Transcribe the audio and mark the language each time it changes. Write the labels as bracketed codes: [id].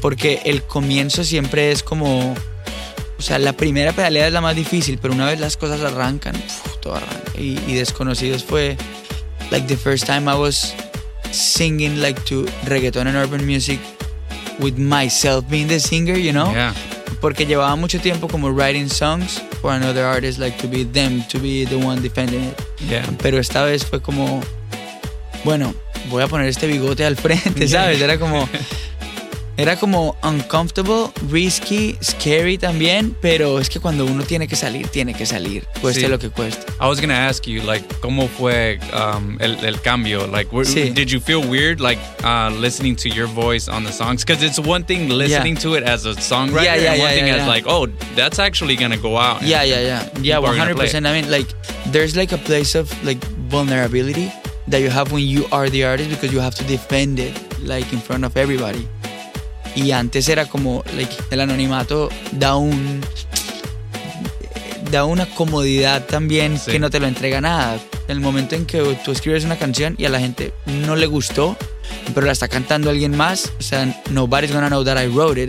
[es] Porque el comienzo siempre es como, o sea, la primera pedaleada es la más difícil, pero una vez las cosas arrancan, todo arranca. Y Desconocidos fue, [en] like, the first time I was singing, like, to reggaeton and urban music with myself being the singer, you know? Yeah. [es] Porque llevaba mucho tiempo como [en] writing songs for another artist, like to be them, to be the one defending it. Yeah. [es] Pero esta vez fue como, bueno, voy a poner este bigote al frente, ¿sabes? [en] Yeah. [es] Era como [en] uncomfortable, risky, scary [es] también, pero es que cuando uno tiene que salir, cueste lo que cueste. [en] I was going to ask you, like, [es] ¿cómo fue el cambio? [en] Like, did you feel weird, like, listening to your voice on the songs? Because it's one thing listening to it as a songwriter, as, like, oh, that's actually going to go out. Yeah, 100%. I mean, like, there's, like, a place of, like, vulnerability that you have when you are the artist because you have to defend it, like, in front of everybody. [es] Y antes era como, like, el anonimato da una comodidad también que no te lo entrega nada. En el momento en que tú escribes una canción y a la gente no le gustó, pero la está cantando alguien más, o sea, [en] nobody's gonna know that I wrote it.